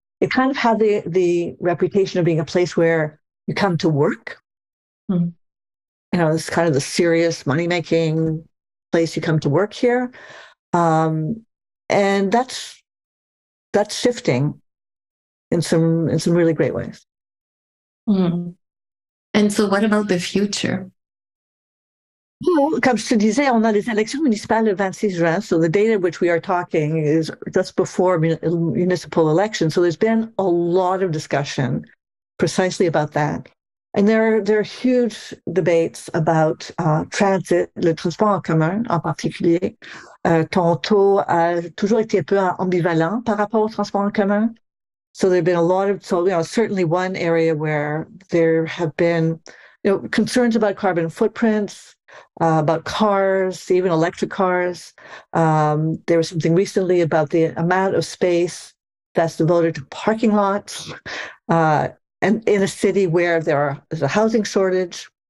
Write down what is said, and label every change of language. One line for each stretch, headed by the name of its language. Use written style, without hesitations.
English: It kind of had the reputation of being a place where you come to work. Mm-hmm. You know, it's kind of the serious money making place you come to work here, and that's shifting in some really great ways. Mm. And so what about the future?
French: Well, comme je te disais, on a les élections municipales le 26 juin.
English: So the date at which we are talking is just before municipal elections. So there's been a lot of discussion precisely about that. And there are huge debates about transit,
French: le transport en commun en particulier. Toronto a toujours été un peu ambivalent par rapport au transport en commun.
English: So there have been a lot of, so, you know, certainly one area where there have been, you know, concerns about carbon footprints, about cars, even electric cars. There was something recently about the amount of space that's devoted to parking lots, and in a city where there is a housing shortage.